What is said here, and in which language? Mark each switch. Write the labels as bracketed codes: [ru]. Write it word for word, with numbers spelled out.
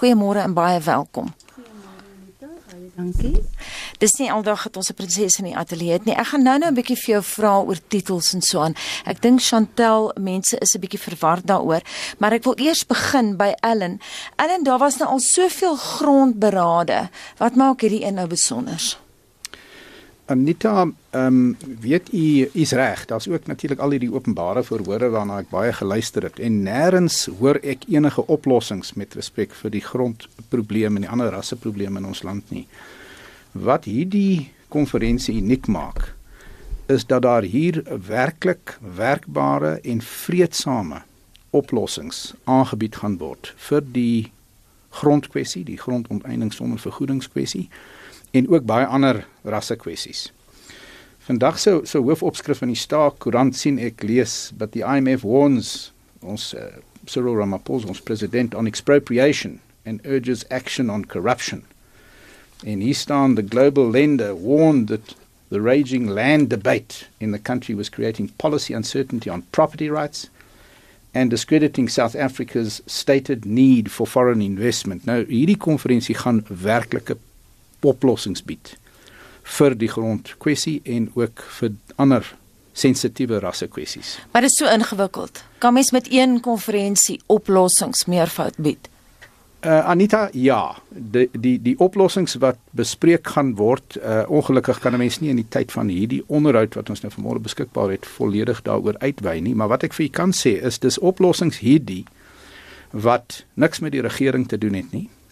[af] Goeiemôre en baie welkom. Dankie. Dis nie aldag het ons 'n prinses in die ateljee het nie. Ek gaan nou nou 'n bietjie vir jou vra oor titels en so aan. Ek dink Chantel, mense is 'n bietjie verward daaroor, maar ek wil eers begin by Ellen. Ellen, daar was nou al soveel grondberade. Wat maak hierdie een nou besonder? Anita, um, weet u, is reg. Daar's ook natuurlik al hierdie openbare verhore waarna ek baie geluister het en nêrens hoor ek enige oplossings met respek vir die grondprobleem en die ander rasseprobleme in ons land nie. Wat hierdie konferensie uniek maak, is dat daar hier werklik werkbare en vreedsame oplossings aangebied gaan word vir die grondkwessie, die grondonteeneming sonder vergoedingskwessie en ook baie ander rasse kwessies. Vandag se so, so hoofopskrif in die Staat koerant sien ek lees dat die I M F [en] warns [af] ons uh, Cyril Ramaphosa, ons president, [en] on expropriation and urges action on corruption. [af] En hier staan, [en] the global lender warned that the raging land debate in the country was creating policy uncertainty on property rights and discrediting South Africa's stated need for foreign investment. [af] Nou, hierdie konferensie gaan werklike oplossings bied vir die grondkwessie en ook vir ander sensitiewe rassekwessies. Maar dit is so ingewikkeld. Kan mens met een konferensie oplossings meervoud bied? Uh, Anita, ja. Die, die, die oplossings wat bespreek gaan word, uh, ongelukkig kan 'n mens nie in die tyd van hierdie onderhoud wat ons nou vanmôre beskikbaar het, volledig daaroor uitwei nie, maar wat ek vir u kan sê is, dis oplossings hierdie wat niks met die regering te doen het nie.